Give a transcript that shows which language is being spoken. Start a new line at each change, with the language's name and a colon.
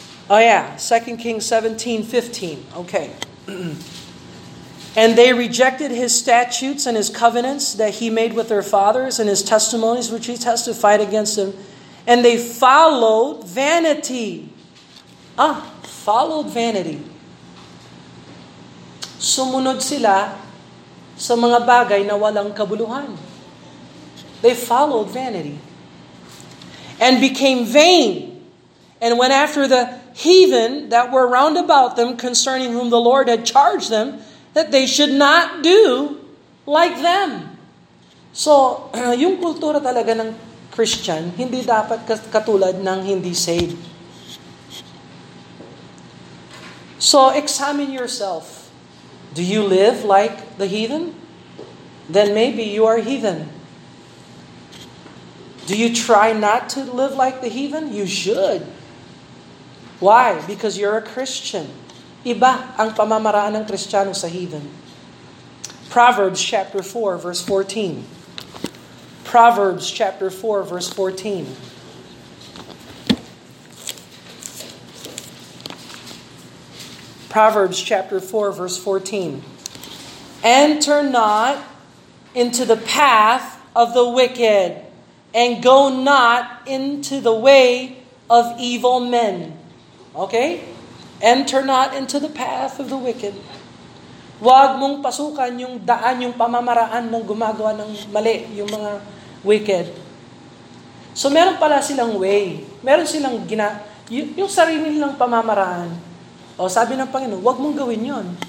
English: Oh yeah, 2 Kings 17, 15. Okay. "And they rejected his statutes and his covenants that he made with their fathers, and his testimonies which he testified against them. And they followed vanity." Followed vanity.
Filipino: Sumunod sila sa mga bagay na walang kabuluhan.
English: They followed vanity. "And became vain, and went after the heathen that were round about them, concerning whom the Lord had charged them that they should not do like them."
Filipino: So, yung kultura talaga ng Christian, hindi dapat katulad ng hindi saved.
English: So, examine yourself. Do you live like the heathen? Then maybe you are heathen. Do you try not to live like the heathen? You should. Why? Because you're a Christian.
Filipino: Iba ang pamamaraan ng Kristiyano sa heathen.
English: Proverbs chapter 4 verse 14. Proverbs chapter 4 verse 14. Proverbs chapter 4, verse 14. Enter not into the path of the wicked, and go not into the way of evil men. Okay? Enter not into the path of the wicked.
Filipino: Huwag mong pasukan yung daan, yung pamamaraan ng gumagawa ng mali, yung mga wicked. So meron pala silang way. Meron silang yung sarili nilang pamamaraan. O sabi ng Panginoon, huwag mong gawin yon.